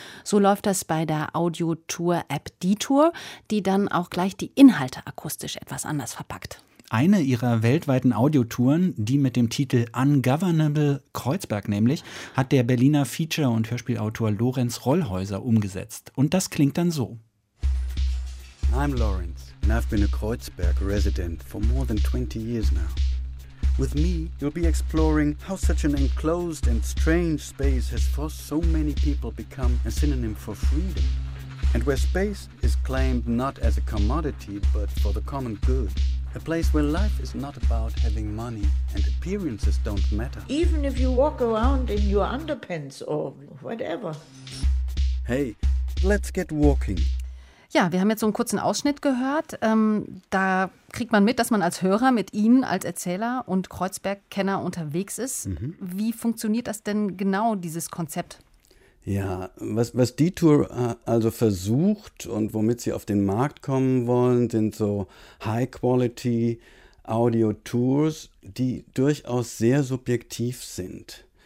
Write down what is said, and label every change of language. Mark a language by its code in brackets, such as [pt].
[de] So läuft das bei der Audio-Tour-App Detour, die dann auch gleich die Inhalte akustisch etwas anders verpackt. Eine ihrer weltweiten Audiotouren, die mit dem Titel Ungovernable Kreuzberg nämlich, hat der Berliner Feature- und Hörspielautor Lorenz Rollhäuser umgesetzt. Und das klingt dann so. [en] I'm Lawrence, and I've been a Kreuzberg resident for more than 20 years now. With me, you'll be exploring how such an enclosed and strange space has forced so many people become a synonym for freedom. And where space is claimed not as a commodity, but for the common good. A place where life is not about having money and appearances don't matter. Even if you walk around in your underpants or whatever. Hey, let's get walking. [de] Ja, wir haben jetzt so einen kurzen Ausschnitt gehört. Da kriegt man mit, dass man als Hörer mit Ihnen als Erzähler und Kreuzberg-Kenner unterwegs ist. Mhm. Wie funktioniert das denn genau, dieses Konzept? Ja, was Detour also versucht und womit sie auf den Markt kommen wollen, sind so High-Quality-Audio-Tours, die durchaus sehr subjektiv sind.